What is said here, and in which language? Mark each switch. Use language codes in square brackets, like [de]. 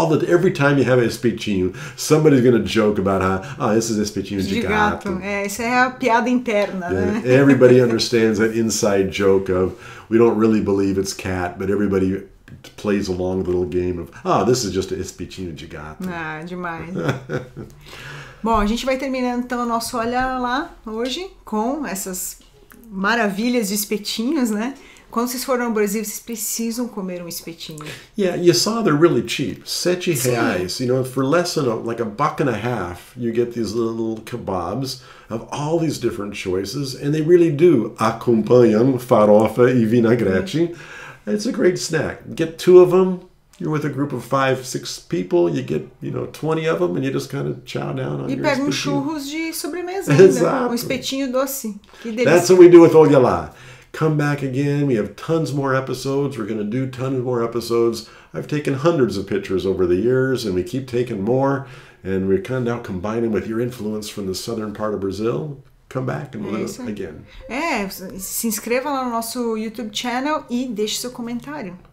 [en] Every time you have a espetinho, somebody's going to joke about how, oh, this is [pt] espetinho de gato. Gato. É, isso é a piada interna. Yeah, né? [en] Everybody understands that inside joke of, we don't really believe it's cat, but everybody plays along the little game of, oh, this is just a [pt] espetinho de gato. Ah, demais. Bom, a gente vai terminando então o nosso olhar lá hoje com essas maravilhas de espetinhos, né? Quando vocês forem ao Brasil, vocês precisam comer um espetinho. [en] Yeah, you saw they're really cheap. R$7. You know, for less than like $1.50, you get these little kebabs of all these different choices. And they really do [pt] acompanham farofa e vinagrete. [en] It's a great snack. Get two of them. You're with a group of 5-6 people. You get, you know, 20 of them, and you just kind of chow down on [pt] e [en] your espetinho. [pt] E pega um churros de sobremesa ainda. [en] Exactly. [pt] Um espetinho doce. Que delícia. [en] That's what we do with Oyelá. Come back again. We have tons more episodes. We're going to do tons more episodes. I've taken hundreds of pictures over the years, and we keep taking more. And we're kind of now combining with your influence from the southern part of Brazil. Come back and we'll do it again. [pt] É, se inscreva lá no nosso YouTube channel e deixe seu comentário.